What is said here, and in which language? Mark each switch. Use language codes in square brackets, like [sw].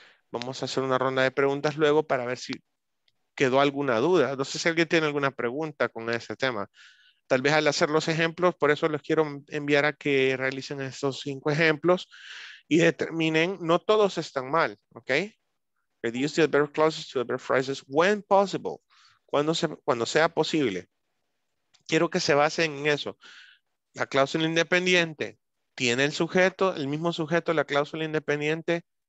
[es] Vamos a hacer una ronda de preguntas luego para ver si quedó alguna duda. No sé si alguien tiene alguna pregunta con ese tema. Tal vez al hacer los ejemplos, por eso les quiero enviar a que realicen estos 5 ejemplos y determinen, no todos están mal, ¿ok? [en] Reduce the adverb clauses to adverb phrases when possible. [es] Cuando sea posible. Quiero que se basen en eso. La cláusula independiente tiene el sujeto, el mismo sujeto, la cláusula independiente.